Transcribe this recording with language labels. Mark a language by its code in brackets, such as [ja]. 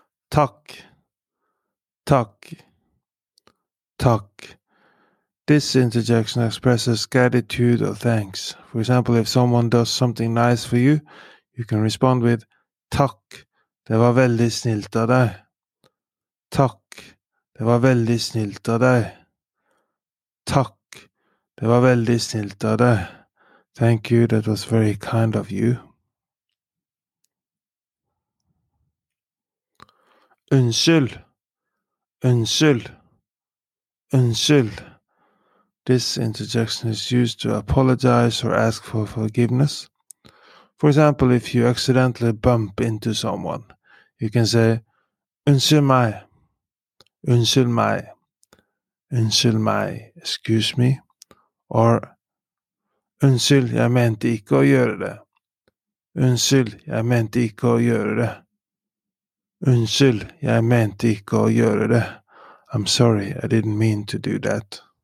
[no] Takk. Takk. Takk. [en] This interjection expresses gratitude or thanks. For example, if someone does something nice for you, you can respond with takk. [no] Det var veldig snilt av deg. Takk, det var veldig snilt av deg. Takk, det var veldig snilt av deg. [en] Thank you, that was very kind of you. [no] Unnskyld, unnskyld, unnskyld. [en] This interjection is used to apologize or ask for forgiveness. For example, if you accidentally bump into someone, you can say, [no] unnskyld meg. Unnskyld meg, [en] excuse me, or [no] Unnskyld, jeg mente ikke å gjøre det. Unnskyld, jeg mente ikke å gjøre det. Unnskyld, jeg mente ikke å gjøre det. [en] I'm sorry, I didn't mean to do that.